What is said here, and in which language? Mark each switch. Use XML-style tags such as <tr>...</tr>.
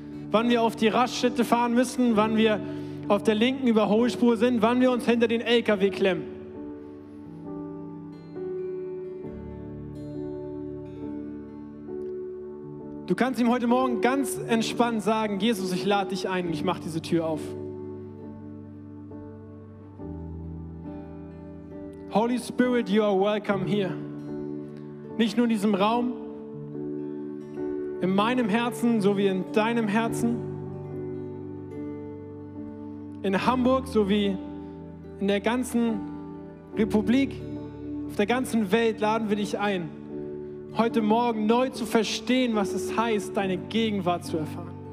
<de>Wann wir auf die Raststätte fahren müssen, wann wir auf der linken Überholspur sind, wann wir uns hinter den LKW klemmen. Du kannst ihm heute Morgen ganz entspannt sagen, Jesus, ich lade dich ein und ich mache diese Tür auf.</de> <en>Holy Spirit, you are welcome here.</en> <de>Nicht nur in diesem Raum, in meinem Herzen, so wie in deinem Herzen. In Hamburg, so wie in der ganzen Republik, auf der ganzen Welt laden wir dich ein, heute Morgen neu zu verstehen, was es heißt, deine Gegenwart zu erfahren.</de>